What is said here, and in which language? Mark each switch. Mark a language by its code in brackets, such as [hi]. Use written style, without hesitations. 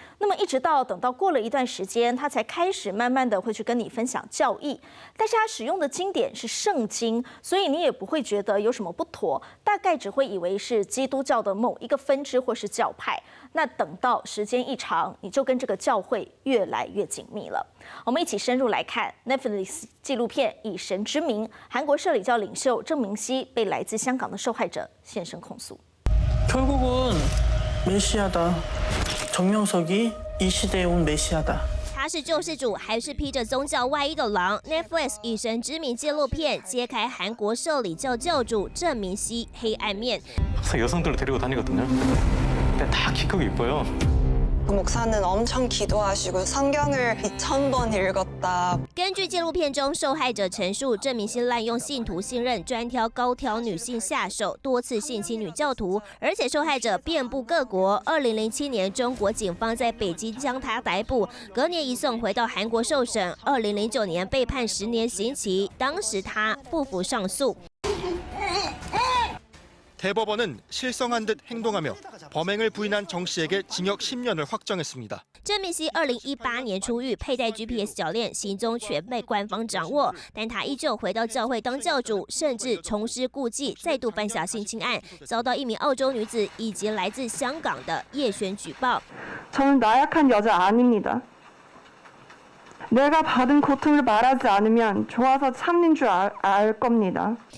[zh] 那么一直到等到过了一段时间，他才开始慢慢的会去跟你分享教义，但是他使用的经典是圣经，所以你也不会觉得有什么不妥，大概只会以为是基督教的某一个分支或是教派。那等到时间一长，你就跟这个教会越来越紧密了。我们一起深入来看 Netflix 纪录片《以神之名》，韩国社里教领袖郑明熙被来自香港的受害者现身控诉。 [ko] 결국은메시아다정영석이이시대에온메시아다 [zh] 他是救世主还是披着宗教外衣的狼？Netflix 以神之名纪录片揭开韩国社里教教主郑明熙黑暗面。 [ko] 항상여성들을데리고다니거든요근데다키크고이뻐요 목사는엄청기도하시고성경을2000번읽었다 [zh] 根据纪录片中受害者陈述，郑明熙滥用信徒信任，专挑高挑女性下手，多次性侵女教徒，而且受害者遍布各国。 2007年，中国警方在北京将他逮捕，隔年移送回到韩国受审。 2009年被判10年刑期，当时他不服上诉。 [ko] 대법원은 실성한 듯 행동하며 범행을 부인한 정 씨에게 징역 10년을 확정했습니다. [zh] 郑明熙2018年出狱，佩戴 GPS 脚链，行踪全被官方掌握，但他依旧回到教会当教主，甚至重施故技，再度犯下性侵案，遭到一名澳洲女子以及来自香港的叶璇举报。 [ko] 저는나약한여자아닙니다내가받은고통을말하지않으면좋아서참는줄 알겁니다